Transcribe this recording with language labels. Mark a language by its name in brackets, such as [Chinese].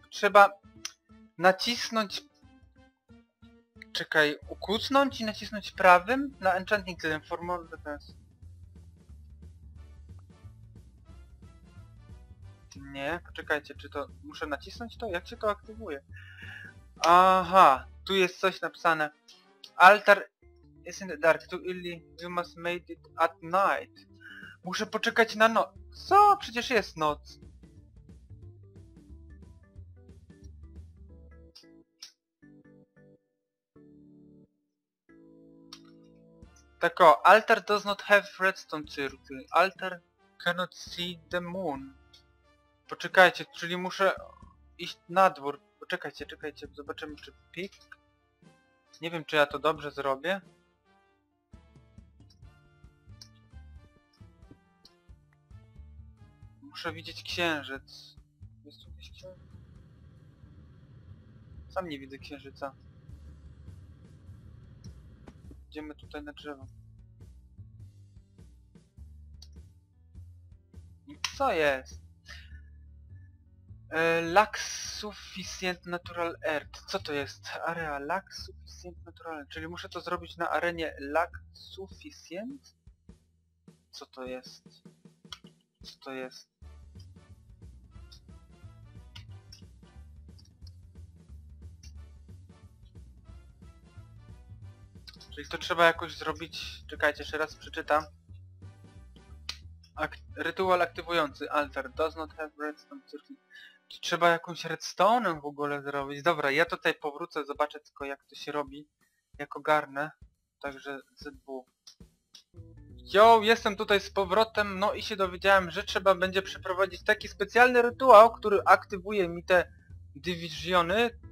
[Polish] Trzeba nacisnąć... Czekaj, ukucnąć i nacisnąć prawym na enchanting table. [English] Formal the best. [Polish] Nie, poczekajcie, czy to... Muszę nacisnąć to? Jak się to aktywuje? Aha, tu jest coś napisane. [English] Altar is in the dark, too early, you must make it at night. [Polish] Muszę poczekać na noc. Co? Przecież jest noc. Tak o, [English] altar does not have redstone circle. Altar cannot see the moon. [Polish] Poczekajcie, czyli muszę iść na dwór. Poczekajcie, czekajcie, zobaczymy czy pik. Nie wiem czy ja to dobrze zrobię. Muszę widzieć księżyc. Jest tu jakiś księżyc? Sam nie widzę księżyca. Idziemy tutaj na drzewo. Co jest? [English] Lack sufficient natural earth. [Polish] Co to jest? [English] Area lack sufficient natural earth. [Polish] Czyli muszę to zrobić na arenie [English] lack sufficient? [Polish] Co to jest? Co to jest? Czyli to trzeba jakoś zrobić... Czekajcie, jeszcze raz przeczytam. Rytuał aktywujący. [English] Altar does not have redstone circle. [Polish] Trzeba jakąś redstone w ogóle zrobić. Dobra, ja tutaj powrócę, zobaczę tylko jak to się robi. Jak ogarnę. Także ZW. Yo, jestem tutaj z powrotem. No i się dowiedziałem, że trzeba będzie przeprowadzić taki specjalny rytuał, który aktywuje mi te divisiony.